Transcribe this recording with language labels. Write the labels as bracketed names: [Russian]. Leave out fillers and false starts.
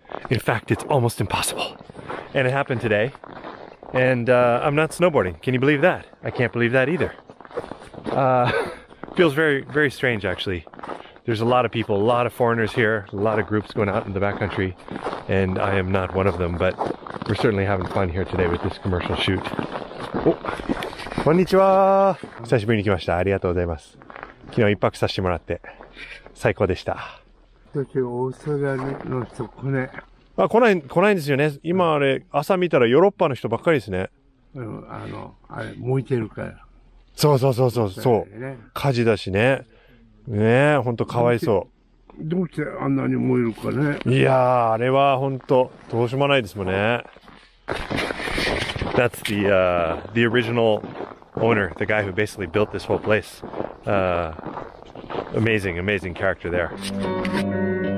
[English] In fact, it's almost impossible. And it happened today. And I'm not snowboarding. Can you believe that? I can't believe that either. Feels very, very strange, actually. There's a lot of people, a lot of foreigners here, a lot of groups going out in the backcountry, and I am not one of them, but we're certainly having fun here today with this commercial shoot. [Japanese] Oh. Konnichiwa! 久しぶりに来ました。ありがとうございます。昨日一泊させてもらって、最高でした。だけど、オーストラリアの人来ない。あ、来ない、来ないんですよね。今あれ、朝見たらヨーロッパの人ばっかりですね。あれ、燃えてるから。そうそうそうそう、そう。火事だしね。ねえ、ほんとかわいそう。どうしてあんなに燃えるかね。いやー、あれはほんと、どうしようもないですもんね。 [English] That's the original owner, the guy who basically built this whole place. Amazing, amazing character there.